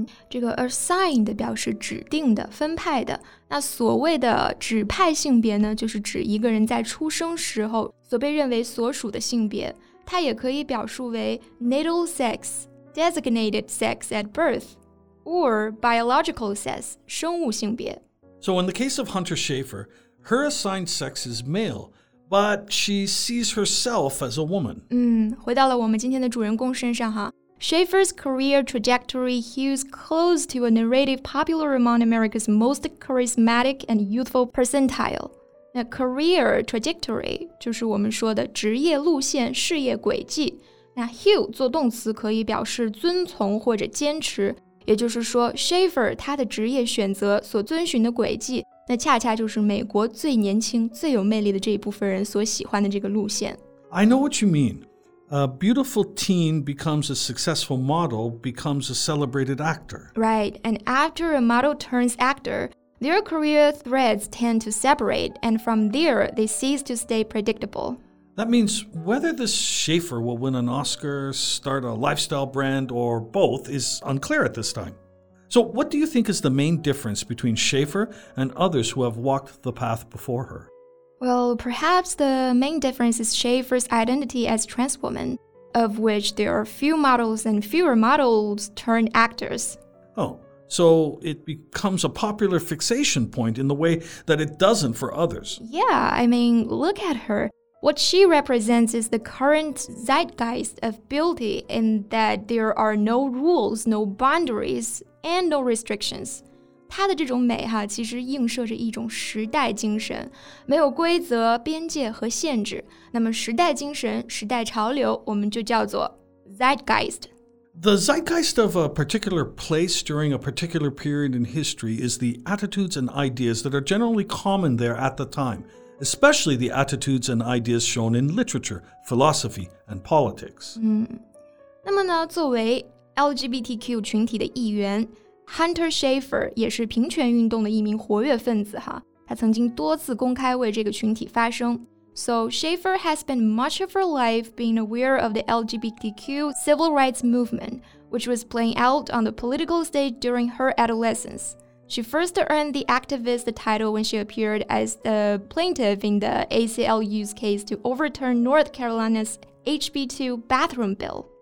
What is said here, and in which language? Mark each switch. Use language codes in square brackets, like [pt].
[zh] 这个 assigned 表示指定的、分派的。那所谓的指派性别呢，就是指一个人在出生时候所被认为所属的性别。它也可以表述为 [en] natal sex, designated sex at birth, or biological sex, [zh] 生物性别。 [en] So in the case of Hunter Schafer, her assigned sex is male,But she sees herself as a woman. [zh] 回到了我们今天的主人公身上哈。 [en] Schafer's career trajectory hews close to a narrative popular among America's most charismatic and youthful percentile. [zh] 那 career trajectory 就是我们说的职业路线、事业轨迹。那 Hugh 做动词可以表示遵从或者坚持，也就是说 Shaffer 他的职业选择所遵循的轨迹，那恰恰就是美国最年轻、最有魅力的这一部分人所喜欢的这个路线。 [en] I know what you mean. A beautiful teen becomes a successful model, becomes a celebrated actor. Right, and after a model turns actor, their career threads tend to separate, and from there, they cease to stay predictable. That means whether this Shaffer will win an Oscar, start a lifestyle brand, or both is unclear at this time. So what do you think is the main difference between Shaffer and others who have walked the path before her? Well, perhaps the main difference is Shaffer's identity as trans woman, of which there are few models and fewer models turned actors. Oh, so it becomes a popular fixation point in the way that it doesn't for others. Yeah, I mean, look at her. What she represents is the current zeitgeist of beauty in that there are no rules, no boundaries, and no restrictions. [zh] 她的这种美哈，其实映射着一种时代精神，没有规则、边界和限制。那么时代精神、时代潮流，我们就叫做 zeitgeist。 [en] The zeitgeist of a particular place during a particular period in history is the attitudes and ideas that are generally common there at the time, especially the attitudes and ideas shown in literature, philosophy, and politics. [zh] 那么呢，作为 LGBTQ 群体的一员，Hunter Shaffer 也是平权运动的一名活跃分子哈，他曾经多次公开为这个群体发声。 [en] So Shaffer has spent much of her life being aware of the LGBTQ civil rights movement, which was playing out on the political stage during her adolescence. She first earned the activist title when she appeared as the plaintiff in the ACLU's case to overturn North Carolina's HB2 bathroom bill.